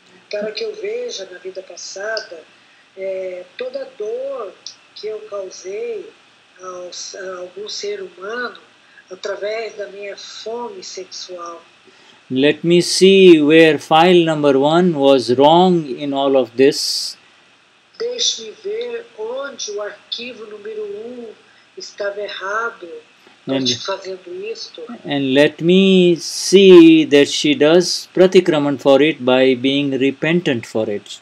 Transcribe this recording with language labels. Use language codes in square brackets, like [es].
[pt] Para que eu veja na vida passada toda dor que eu causei a algum ser humano através da minha fome sexual. [en] Let me see where file number one was wrong in all of this. [pt] Deixe-me ver onde o arquivo número um estava errado. [en] And let me see that she does pratikraman for it by being repentant for it.